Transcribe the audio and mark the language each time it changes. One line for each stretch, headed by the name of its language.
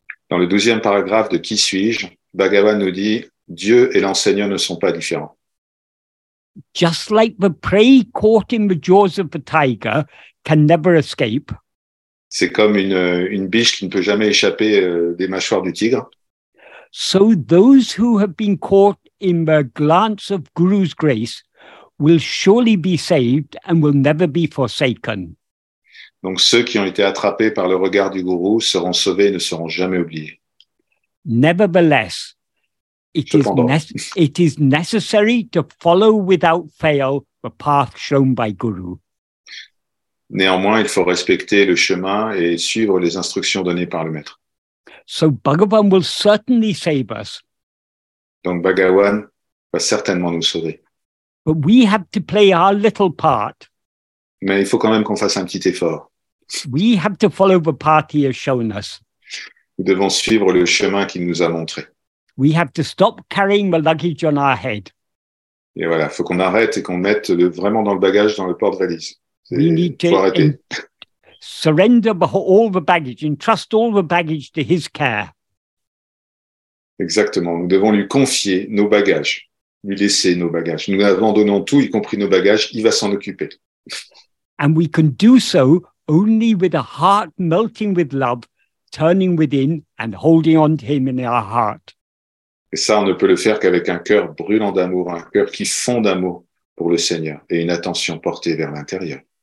French: Dans le 12e paragraphe de Qui suis-je, Bhagavan nous dit, Dieu et l'enseignant ne sont pas différents.
English: Just like the prey caught in the jaws of the tiger can never escape.
French: C'est comme une biche qui ne peut jamais échapper des mâchoires du tigre.
English: So those who have been caught in the glance of Guru's grace will surely be saved and will never be forsaken.
French: Donc ceux qui ont été attrapés par le regard du gourou seront sauvés et ne seront jamais oubliés.
English: Nevertheless, it is necessary to follow without fail the path shown by Guru.
French: Néanmoins, il faut respecter le chemin et suivre les instructions données par le maître.
English: So Bhagavan will certainly save us.
French: Donc Bhagavan va certainement nous sauver.
English: But we have to play our little part.
French: Mais il faut quand même qu'on fasse un petit effort.
English: We have to follow the path he has shown us.
French: Nous devons suivre le chemin qu'il nous a montré.
English: We have to stop carrying the luggage on our head.
French: Et voilà, faut qu'on arrête et qu'on mette vraiment dans le bagage, dans le porte-valise. Il faut arrêter.
English: surrender all the baggage, entrust all the baggage to his care.
French: Exactement. Nous devons lui confier nos bagages, lui laisser nos bagages. Nous abandonnons tout, y compris nos bagages, il va s'en occuper.
English: And we can do so only with a heart melting with love, turning within and holding on to him in our heart.
French: Et ça, on ne peut le faire qu'avec un cœur brûlant d'amour, un cœur qui fond d'amour pour le Seigneur et une attention portée vers l'intérieur.